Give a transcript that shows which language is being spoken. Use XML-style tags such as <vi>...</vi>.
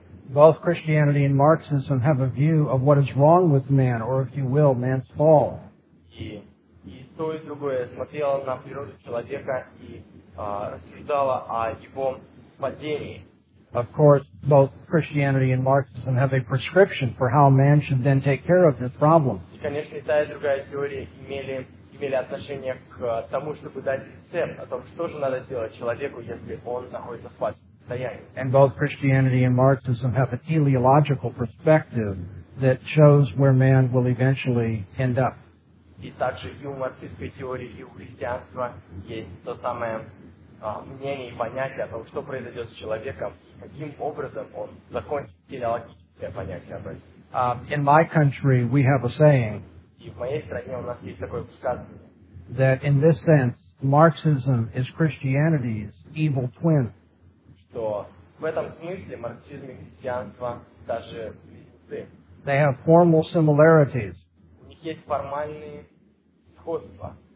<en>Both Christianity and Marxism have a view of what is wrong with man, or if you will, man's fall.</en> <ru>И то, и другое смотрело на природу человека и рассуждало о его падении.</ru> <en>Of course, both Christianity and Marxism have a prescription for how man should then take care of this problem.</en> <ru>И, конечно, та и другая теория имели отношение к тому, чтобы дать рецепт о том, что же надо делать человеку, если он находится в падающем состоянии.</ru> <en>And both Christianity and Marxism have a teleological perspective that shows where man will eventually end up.</en> <ru>И также и у марксистской теории, и у христианства есть то самое мнение и понятие о том, что произойдет с человеком, каким образом он закончит телеологическое понятие об этом.</ru> <en>In my country, we have a saying,</en> <ru>и в моей стране у нас есть такое высказывание,</ru> <en>that in this sense, Marxism is Christianity's evil twin.</en> <ru>Что В этом смысле марксизм и христианство даже близнецы.</ru> <en>They have formal similarities.</en> <ru>У них есть формальные сходства.</ru>